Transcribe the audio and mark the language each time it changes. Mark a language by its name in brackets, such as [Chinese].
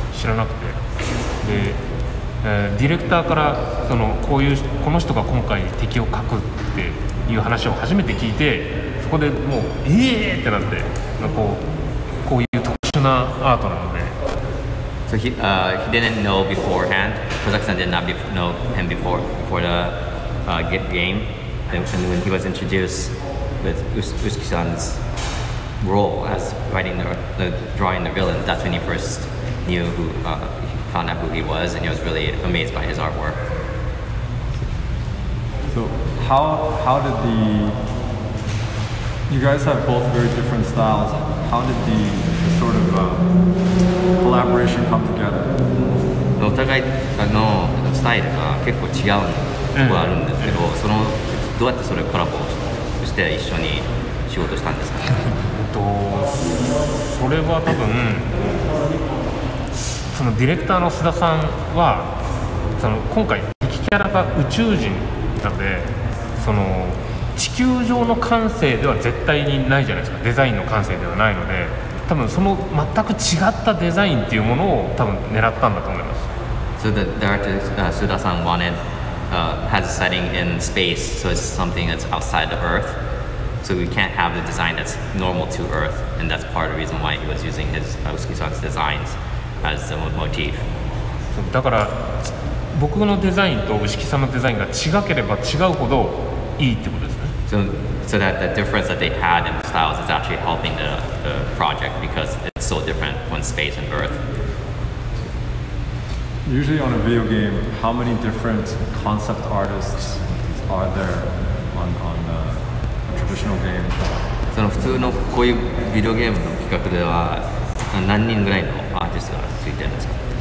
[Japanese] 知らなくて、で、ディレクターからそのこういうこの人が今回敵を描くっていう話を初めて聞いて、そこでもうってなって、まあ、こういう特殊なアートなので、 [English] So he didn't know beforehand. Kozaki-san did not know him before the game. Then when he was introduced. With Ushiki-san's role as writing the drawing the villain, that's when he first knew who, found out who he was, and he was really amazed by his artwork. So, how did the. You guys have both very different styles. How did the sort of collaboration come together? [Japanese] お互いのスタイルが結構違うところあるんですけど、そのどうやってそれをコラボして。して一緒に仕事したんですか、ね。それは多分そのディレクターの須田さんはその今回敵キャラが宇宙人なのでその地球上の感性では絶対にないじゃないですか。デザインの感性ではないので多分その全く違ったデザインっていうものを多分狙ったんだと思います。 [English] So the director 須田さん wanted. Has a setting in space, so it's something that's outside of Earth. So we can't have the design that's normal to Earth, and that's part of the reason why he was using his Ushiki-san's designs as the motif. [Japanese] So, だから僕のデザインと Ushiki-san のデザインが違ければ違うほどいいってことですね。 [English] So that the difference that they had in the styles is actually helping the project because it's so different from space and Earth. Usually on a video game, how many different concept artists are there on a traditional game? [Japanese] その普通のこういうビデオゲームの企画では何人ぐらいのアーティストがついてるんですか？